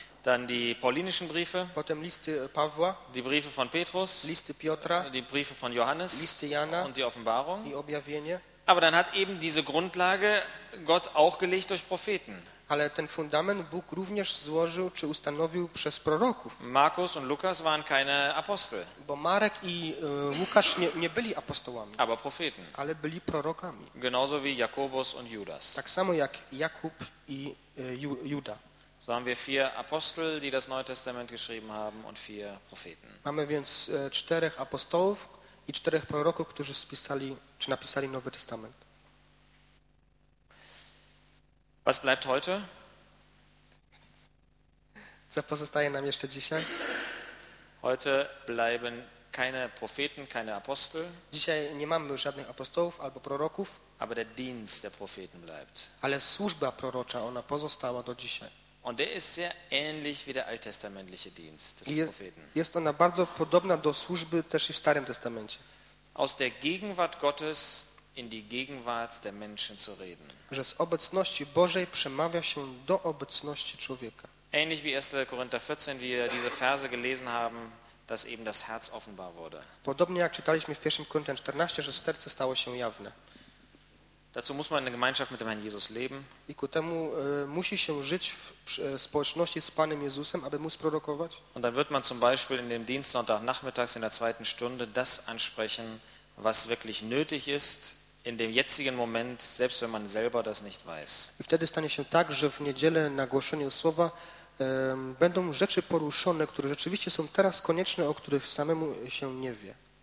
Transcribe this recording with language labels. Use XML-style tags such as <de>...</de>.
<de>Dann die paulinischen Briefe.</de> <pl>Potem listy Pawła.</pl> <de>Die Briefe von Petrus.</de> <pl>Listy Piotra.</pl> <de>Die Briefe von Johannes.</de> <pl>Listy Jana.</pl> <de>Und die Offenbarung.</de> <pl>I objawienie.</pl> <de>Aber dann hat eben diese Grundlage Gott auch gelegt durch Propheten.</de> <pl>Ale ten fundament Bóg również złożył czy ustanowił przez proroków.</pl> <de>Markus und Lukas waren keine Apostel.</de> <pl>Bo Marek i Łukasz nie byli apostołami.</pl> <de>Aber Propheten.</de> <pl>Ale byli prorokami.</pl> <de>Genauso wie Jakobus und Judas.</de> <pl>Tak samo jak Jakub i Juda.</pl> <de>So haben wir vier Apostel, die das Neue Testament geschrieben haben und vier Propheten.</de> <pl>Mamy więc czterech apostołów i czterech proroków, którzy spisali czy napisali Nowy Testament.</pl> <de>Was bleibt heute?</de> <pl>Co pozostaje nam jeszcze dzisiaj?</pl> <de>Heute bleiben keine Propheten, keine Apostel.</de> <pl>Dzisiaj nie mamy już żadnych apostołów albo proroków.</pl> <de>Aber der Dienst der Propheten bleibt.</de> <pl>Ale służba prorocza, ona pozostała do dzisiaj.</pl> <de>Und der ist sehr ähnlich wie der alttestamentliche Dienst des Propheten.</de> <pl>Jest ona bardzo podobna do służby też i w Starym Testamencie.</pl> <de>Aus der Gegenwart Gottes in die Gegenwart der Menschen zu reden.</de> <pl>Że z obecności Bożej przemawia się do obecności człowieka.</pl> <de>Ähnlich wie 1. Korinther 14, wie wir diese Verse gelesen haben, dass eben das Herz offenbar wurde.</de> <pl>Podobnie jak czytaliśmy w 1. Korinther 14, że serce stało się jawne.</pl> <de>Dazu muss man in der Gemeinschaft mit dem Herrn Jesus leben.</de> <pl>I ku temu musi się żyć w społeczności z Panem Jezusem, aby móc prorokować.</pl> <de>Und dann wird man zum Beispiel in dem Dienst sonntagnachmittags in der zweiten Stunde das ansprechen, was wirklich nötig ist in dem jetzigen Moment, selbst wenn man selber das nicht weiß.</de> <pl>I wtedy stanie się tak, że w niedzielę na głoszeniu słowa będą rzeczy poruszone, które rzeczywiście są teraz konieczne, o których samemu się nie wie.</pl>